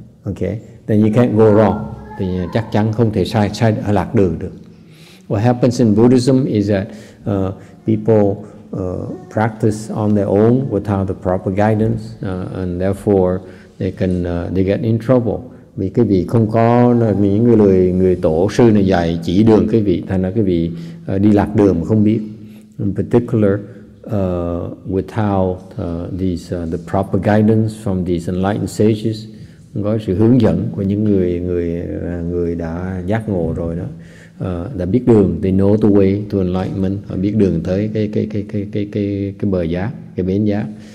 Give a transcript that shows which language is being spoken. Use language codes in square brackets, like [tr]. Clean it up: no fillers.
[en] Okay, then you can't go wrong. [vi] Thì chắc chắn không thể sai lạc đường được. [en] What happens in Buddhism is that people practice on their own without the proper guidance, and therefore they get in trouble. [vi] Vì cái vị không có những người tổ sư này dạy chỉ đường cái vị, thành ra cái vị đi lạc đường mà không biết. [en] In particular, without the proper guidance from these enlightened sages. [vi] Có sự hướng dẫn của những người đã giác ngộ rồi đó, đã biết đường, [en] they know the way to enlightenment, [vi] họ biết đường tới cái bờ giác, cái bến giác.